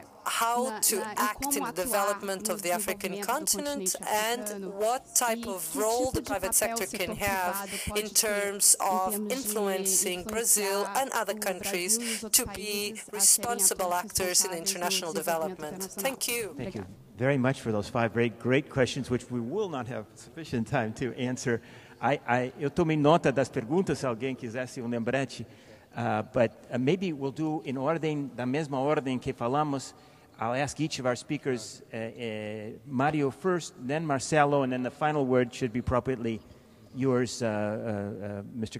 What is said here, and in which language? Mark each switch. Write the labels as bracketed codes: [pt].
[en] how to act in the development of the African continent and what type of role the private sector can have in terms of influencing Brazil and other countries to be responsible actors in international development. Thank you. Thank you very much for those five great, great questions, which we will not have sufficient time to answer. [pt] Eu tomei nota das perguntas, se alguém quisesse lembrete. [en] Maybe we'll do in [pt] ordem, da mesma ordem que falamos. [en] I'll ask each of our speakers, Mario first, then Marcelo, and then the final word should be appropriately yours, Mr.